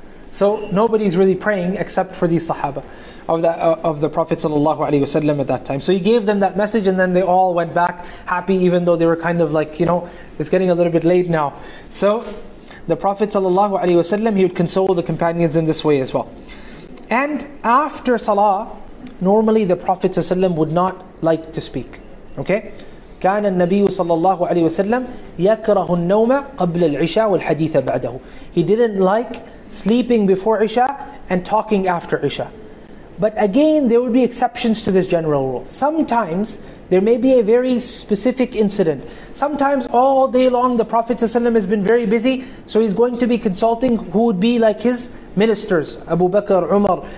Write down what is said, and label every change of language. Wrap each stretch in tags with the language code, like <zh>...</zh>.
<en>So nobody's really praying except for these Sahaba of the Prophet ﷺ at that time. So he gave them that message and then they all went back happy, even though they were kind of like, you know, it's getting a little bit late now. So the Prophet ﷺ, he would console the companions in this way as well. And after Salah, normally the Prophet ﷺ would not like to speak. Okay?</en> <ar>كان النبي صلى الله عليه وسلم يكره النوم قبل العشاء والحديث بعده.</ar> <en>He didn't like sleeping before Isha and talking after Isha. But again, there would be exceptions to this general rule. Sometimes there may be a very specific incident. Sometimes all day long the Prophet ﷺ has been very busy, so he's going to be consulting who would be like his ministers, Abu Bakr, Umar.</en>